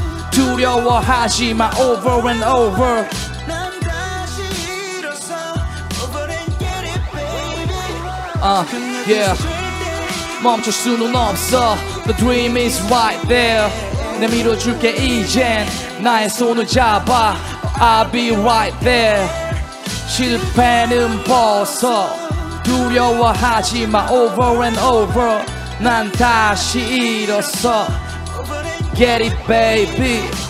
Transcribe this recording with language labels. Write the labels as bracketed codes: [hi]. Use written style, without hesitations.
[ko] 두려워하지 마, [en] over and over. [ko] 난 다시 일어서, [en] over and get it, baby. [ko] Yeah, 멈출 수는 없어. [en] The dream is right there. [ko] 내 밀어줄게 이젠 나의 손을 잡아. [en] I'll be right there. [ko] 실패는 벌써 두려워하지 마 [en] over and over [ko] 난 다시 일어서 [en] get it baby